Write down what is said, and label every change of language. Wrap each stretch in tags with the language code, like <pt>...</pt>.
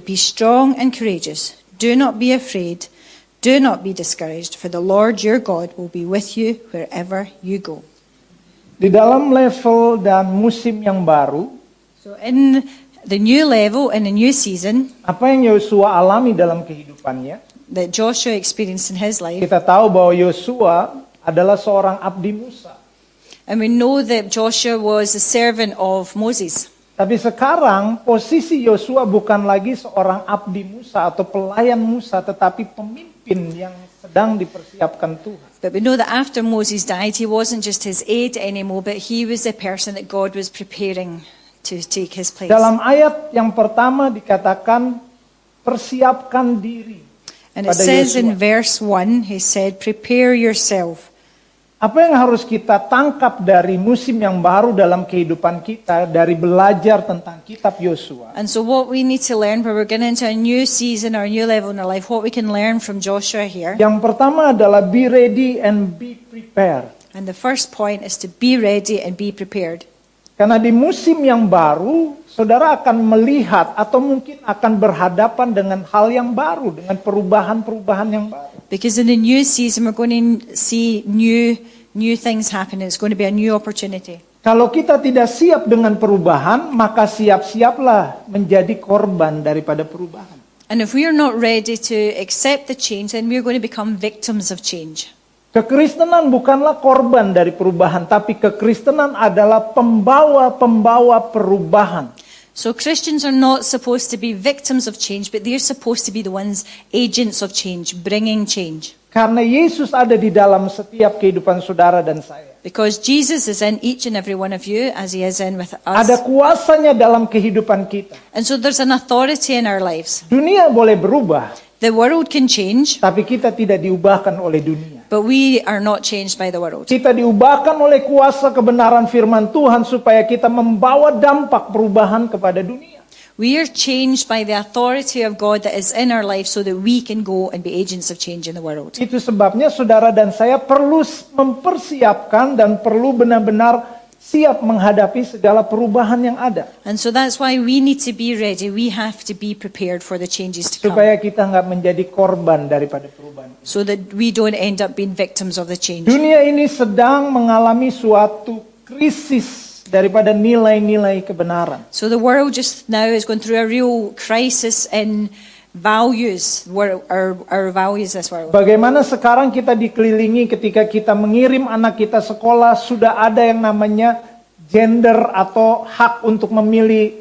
<en>Be strong and courageous. Do not be afraid. Do not be discouraged, for the Lord your God will be with you wherever you go.</en> <id>Di dalam level dan musim yang baru,</id> <en>so in the new level and the new season,</en> <id>apa yang Yosua alami dalam kehidupannya,</id> <en>that Joshua experienced in his life,</en> <id>kita tahu bahwa Yosua adalah seorang abdi Musa.</id> <en>And we know that Joshua was a servant of Moses.</en> <id>Tapi sekarang posisi Yosua bukan lagi seorang abdi Musa atau pelayan Musa, tetapi pemimpin yang sedang dipersiapkan Tuhan.</id> <en>But we know that after Moses died, he wasn't just his aide anymore, but he was the person that God was preparing to take his place.</en> <id>Dalam ayat yang pertama dikatakan persiapkan diri.</id> <en>And it says in verse 1, he said, prepare yourself.</en> <id>Apa yang harus kita tangkap dari musim yang baru dalam kehidupan kita, dari belajar tentang kitab Yosua?</id> <en>And so what we need to learn when we're getting into a new season or a new level in our life, what we can learn from Joshua here?</en> <id>Yang pertama adalah</id> <en>be ready and be prepared. And the first point is to be ready and be prepared.</en> <id>Karena di musim yang baru, saudara akan melihat atau mungkin akan berhadapan dengan hal yang baru, dengan perubahan-perubahan yang baru.</id> <en>Because in the new season we're going to see new things happen. It's going to be a new opportunity.</en> <id>Kalau kita tidak siap dengan perubahan, maka siap-siaplah menjadi korban daripada perubahan.</id> <en>And if we are not ready to accept the change, then we're going to become victims of change.</en> <id>Kekristenan bukanlah korban dari perubahan, tapi kekristenan adalah pembawa-pembawa perubahan.</id> <en>So Christians are not supposed to be victims of change, but they're supposed to be the ones agents of change, bringing change.</en> <id>Karena Yesus ada di dalam setiap kehidupan saudara dan saya.</id> <en>Because Jesus is in each and every one of you, as he is in with us.</en> <id>Ada kuasanya dalam kehidupan kita.</id> <en>And so there's an authority in our lives.</en> <id>Dunia boleh berubah.</id> <en>The world can change.</en> <id>Tapi kita tidak diubahkan oleh dunia.</id> <en>But we are not changed by the world.</en> <id>Kita diubahkan oleh kuasa kebenaran firman Tuhan supaya kita membawa dampak perubahan kepada dunia.</id> <en>We are changed by the authority of God that is in our life so that we can go and be agents of change in the world.</en> <id>Itu sebabnya saudara dan saya perlu mempersiapkan dan perlu benar-benar siap menghadapi segala perubahan yang ada.</id> <en>And so that's why we need to be ready. We have to be prepared for the changes to come.</en> <id>Supaya kita enggak menjadi korban daripada perubahan.</id> <en>So that we don't end up being victims of the change.</en> <id>Dunia ini sedang mengalami suatu krisis daripada nilai-nilai kebenaran.</id> <en>So the world just now is going through a real crisis in values, our values as well.</en> <id>Bagaimana sekarang kita dikelilingi ketika kita mengirim anak kita sekolah, sudah ada yang namanya gender atau hak untuk memilih.</id>